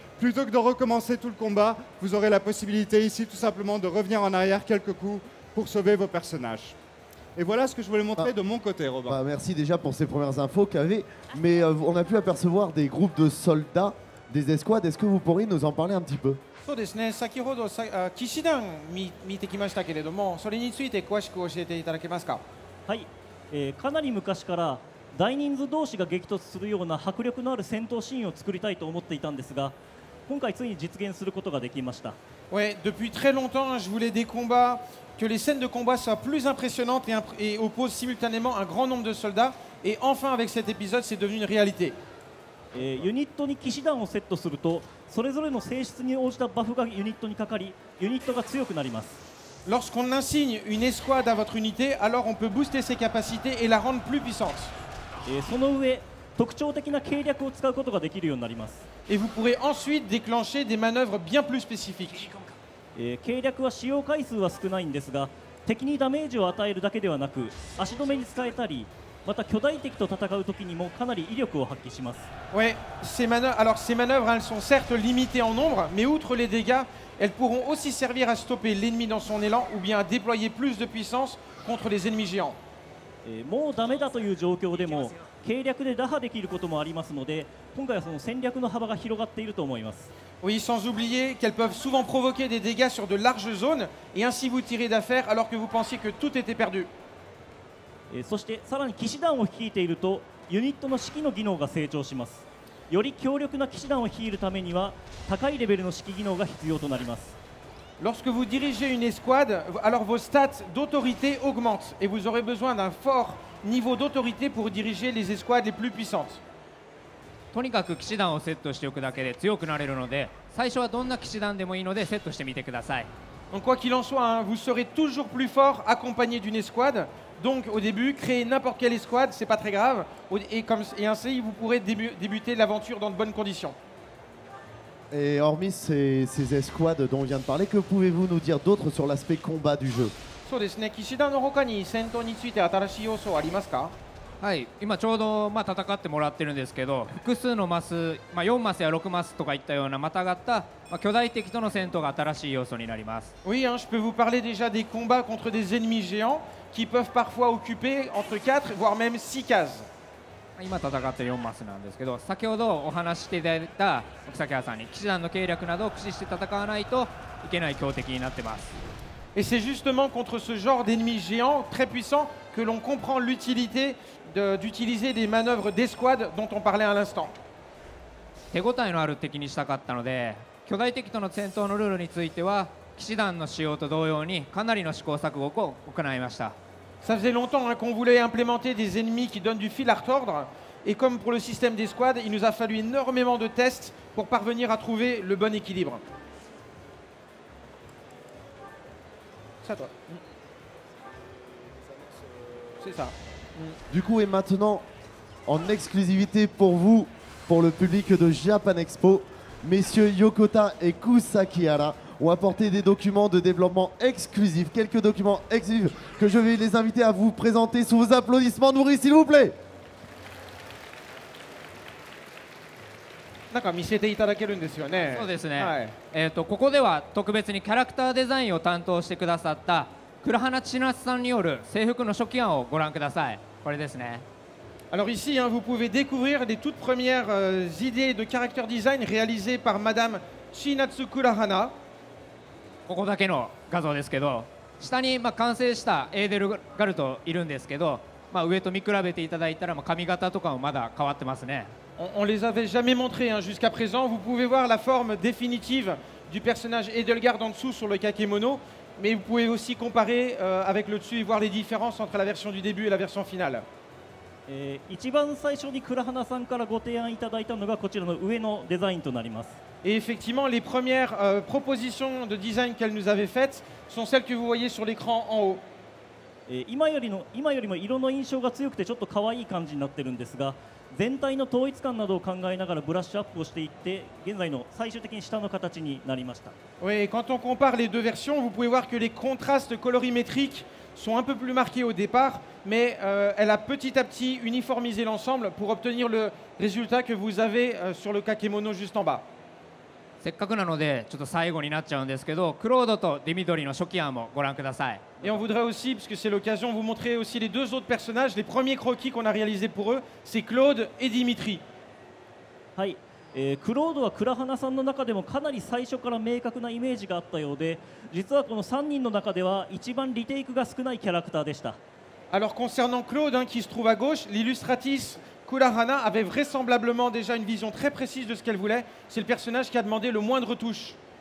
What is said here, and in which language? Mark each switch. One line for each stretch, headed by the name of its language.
French: Plutôt que de recommencer tout le combat, vous aurez la possibilité ici, tout simplement, de revenir en arrière quelques coups pour sauver vos personnages. Et voilà ce que je voulais montrer de mon côté, Robin. Bah, merci déjà pour ces premières infos, Kavé. Mais on a pu apercevoir des groupes de soldats, des escouades. Est-ce que vous pourriez nous en parler un petit peu ?
Japanese: そうですね、先ほど騎士団見てきましたけれども、それについて詳しく教えていただけますか。はい、かなり昔から大人数同士が激突するような迫力のある戦闘シーンを作りたいと思っていたんですが、今回ついに実現することができました。
French: Oui, depuis très longtemps, je voulais des combats, que les scènes de combat soient plus impressionnantes et opposent simultanément un grand nombre de soldats. Et enfin, avec cet épisode, c'est devenu une réalité.
Japanese: ユニットに騎士団をセットするとそれぞれの性質に応じたバフがユニットにかかりユニットが強くなります。
French: Lorsqu'on insigne une escouade à votre unité, alors on peut booster ses capacités et la rendre plus puissante.
Japanese: その上特徴的な計略を使うことができるようになります。
French: Et vous pourrez ensuite déclencher des manœuvres bien plus spécifiques.
Japanese: 計略は使用回数は少ないんですが敵にダメージを与えるだけではなく足止めに使えたりまた巨大敵と戦う時にもかなり威力を発揮します。
French: Oui, ces manœuvres, elles sont certes limitées en nombre, mais outre les dégâts, elles pourront aussi servir à stopper l'ennemi dans son élan ou bien à déployer plus de puissance contre les ennemis géants.
Japanese: もうダメだという状況でも計略で打破できることもありますので今回はその戦略の幅が広がっていると思います。
French: Oui, sans oublier qu'elles peuvent souvent provoquer des dégâts sur de larges zones et ainsi vous tirer d'affaire alors que vous pensiez que tout était perdu.
Japanese: そしてさらに騎士団を率いているとユニットの指揮の技能が成長します。より強力な騎士団を率いるためには高いレベルの指揮技能が必要となります。
French: Lorsque vous dirigez une escouade, alors vos stats d'autorité augmentent et vous aurez besoin d'un fort niveau d'autorité pour diriger les escouades les plus puissantes.
Japanese: とにかく騎士団をセットしておくだけで強くなれるので最初はどんな騎士団でもいいのでセットしてみてください。
French: Donc, quoi qu'il en soit, hein, vous serez toujours plus fort accompagné d'une escouade. Donc au début, créer n'importe quelle escouade, c'est pas très grave. Et ainsi, vous pourrez débuter l'aventure dans de bonnes conditions. Et hormis ces escouades dont on vient de parler, que pouvez-vous nous dire d'autre sur l'aspect combat du jeu ?
Japanese: そうですね。騎士団の他に戦闘について新しい要素はありますか？はい。今ちょうど、まあ、戦ってもらってるんですけど、複数のマス、まあ、4マスや6マスとかいったようなまたがった、まあ、巨大敵との戦闘が新しい要素になります。
French: Oui, hein, je peux vous parler déjà des combats contre des ennemis géants. Qui peuvent parfois occuper entre 4 voire même 6 cases.
Japanese: 今戦ってる4マスなんですけど、先ほどお話していただいた奥崎さんに騎士団の計略などを駆使して戦わないといけない強敵になってます。
French: Et c'est justement contre ce genre d'ennemis géants très puissants que l'on comprend l'utilité d'utiliser des manœuvres d'escouade dont on parlait à l'instant.
Japanese: 手応えのある敵にしたかったので、巨大敵との戦闘のルールについては。騎士団の使用と同様にかなりの試行錯誤を行いました。
French: Ça faisait longtemps qu'on voulait implémenter des ennemis qui donnent du fil à retordre, et comme pour le système des squads, il nous a fallu énormément de tests pour parvenir à trouver le bon équilibre. C'est à toi. C'est ça. Du coup, et maintenant, en exclusivité pour vous, pour le public de Japan Expo, messieurs Yokota et Kusakihara. On va apporter des documents de développement exclusifs, quelques documents exclusifs que je vais les inviter à vous présenter sous vos applaudissements nourris, s'il vous plaît.
Japanese: なんか見せていただけるんですよね。そうですね。はい。ここでは特別にキャラクターデザインを担当してくださった倉花千夏さんによる制服の初期案をご覧ください。これですね。
French: Alors ici, hein, vous pouvez découvrir les toutes premières, idées de character design réalisées par Madame Chinatsu Kurahana.
Japanese: ここだけの画像ですけど、下にまあ完成したエーデルガルトいるんですけど、まあ、上と見比べていただいたら、まあ、髪型とかもまだ変わってますね。
French: On les avait jamais montré hein, jusqu'à présent. Vous pouvez voir la forme définitive du personnage Edelgard en dessous sur le kakemono, mais vous pouvez aussi comparer avec le dessus et voir les différences entre la version du début et la version finale.
Japanese: 一番最初にクラハナさんからご提案いただいたのがこちらの上のデザインとなります。
French: Et effectivement, les premières propositions de design qu'elle nous avait faites sont celles que vous voyez sur l'écran en haut. Et
Japanese: 今よりも色の印象が強くてちょっと可愛い感じになってるんですが、全体の統一感などを考えながらブラッシュアップをしていって、現在の最終的に下の形になりました。
French: Oui, quand on compare les deux versions, vous pouvez voir que les contrastes colorimétriques sont un peu plus marqués au départ, mais elle a petit à petit uniformisé l'ensemble pour obtenir le résultat que vous avez sur le kakemono juste en bas.
Japanese: せっかくなのでちょっと最後になっちゃうんですけど、クロードとディミトリの初期案もご覧ください。
French: Et on voudrait aussi, puisque c'est l'occasion, vous montrer aussi les deux autres personnages, les premiers croquis qu'on a réalisés pour eux, c'est Claude et Dimitri.
Japanese: はい、クロードはクラハナさんの中でもかなり最初から明確なイメージがあったようで、実はこの3人の中では一番リテイクが少ないキャラクターでした。
French: Alors concernant Claude, hein, qui se trouve à gauche, l'illustratrice Kurahana avait vraisemblablement déjà une vision très précise de ce qu'elle voulait. C'est le personnage qui a demandé le moindre touche.